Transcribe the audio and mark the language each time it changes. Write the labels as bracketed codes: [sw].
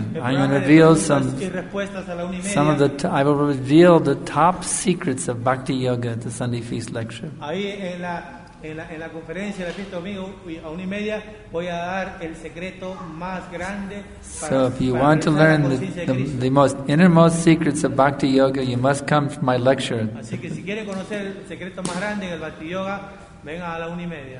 [en] I'm going to reveal some of the I will reveal the top secrets of Bhakti Yoga at the Sunday feast lecture. [es] Ahí en la conferencia de la fiesta domingo a 1:30 voy a dar el secreto más grande. [en] So if you want to learn the most innermost secrets of Bhakti Yoga, you must come to my lecture. [es] Así que si quiere conocer el secreto más grande del Bhakti Yoga, venga a 1:30.